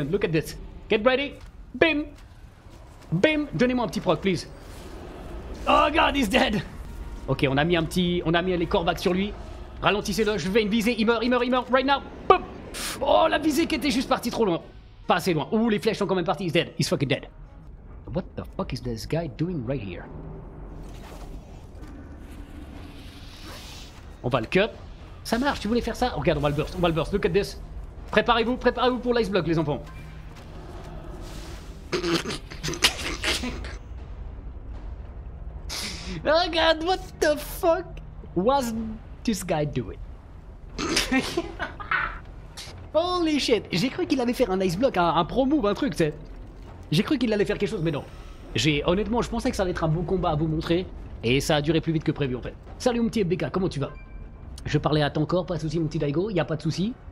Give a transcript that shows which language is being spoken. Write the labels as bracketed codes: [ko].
[en] Look at this. Get ready. Bim. Bim. [fr] Donnez-moi un petit proc, please. [en] Oh god, he's dead! [fr] Ok, on a mis un petit. On a mis les corbacks sur lui. Ralentissez-le, je vais une visée, il meurt, [en] right now! [fr] Boom. Oh, la visée qui était juste partie trop loin. Pas assez loin. Ouh, les flèches sont quand même parties, [en] he's dead, he's fucking dead. What the fuck is this guy doing right here? [fr] On va le cut. Ça marche, tu voulais faire ça? Oh, regarde, on va le burst, [en] look at this. [fr] Préparez-vous pour l'ice block, les enfants. [en] Oh god, what the fuck was this guy doing? Holy shit, [fr] j'ai cru qu'il allait faire un ice block, un pro move, un truc, tu sais. J'ai cru qu'il allait faire quelque chose, mais non. Honnêtement, je pensais que ça allait être un bon combat à vous montrer, et ça a duré plus vite que prévu, en fait. Salut mon petit FBK, comment tu vas? Je parlais à ton corps, pas de soucis mon petit Daigo, y'a pas de soucis.